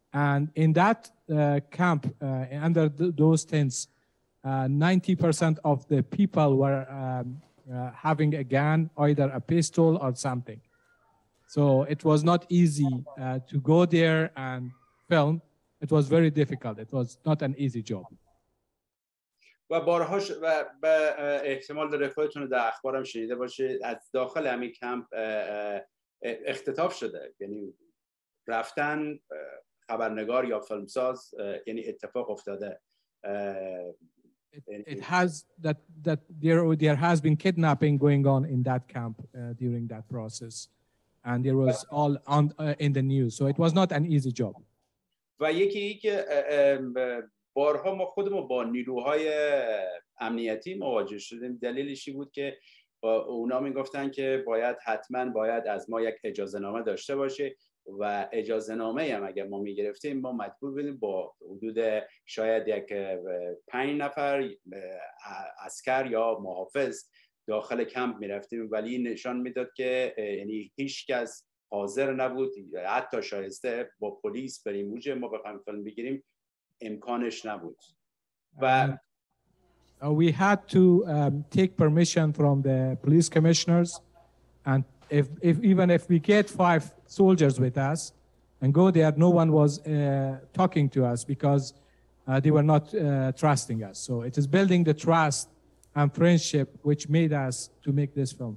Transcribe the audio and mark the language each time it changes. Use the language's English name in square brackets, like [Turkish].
[English] And in that camp, under those tents, 90% of the people were having a gun, either a pistol or something. So it was not easy to go there and film. It was very difficult. It was not an easy job. [Persian] و بارهاش و به احتمال داره خودتون در اخبارم شنیده باشید از داخل همین کمپ اختطاف شده. یعنی رفتن خبرنگار یا فیلمساز یعنی اتفاق افتاده. [English] It has that there has been kidnapping going on in that camp during that process, and there was all on in the news. So it was not an easy job. [Persian] و یکی ای که بارها ما خودمون با نیروهای امنیتی مواجه شدیم دلیلش این بود که اونا میگفتن که باید حتما باید از ما یک اجازه نامه داشته باشه و اجازه نامه هم اگر ما میگرفتیم ما مجبور بودیم با حدود شاید یک 5 نفر عسکر یا محافظ داخل کمپ میرفتیم ولی این نشان میداد که یعنی هیچ کس حاضر نبود حتی شایسته با پلیس بریم اونجا ما بخوایم فیلم بگیریم امکانش نبود و [English] we had to take permission from the police commissioners and if we get 5 soldiers with us and go there no one was talking to us because they were not trusting us so it is building the trust and friendship which made us to make this film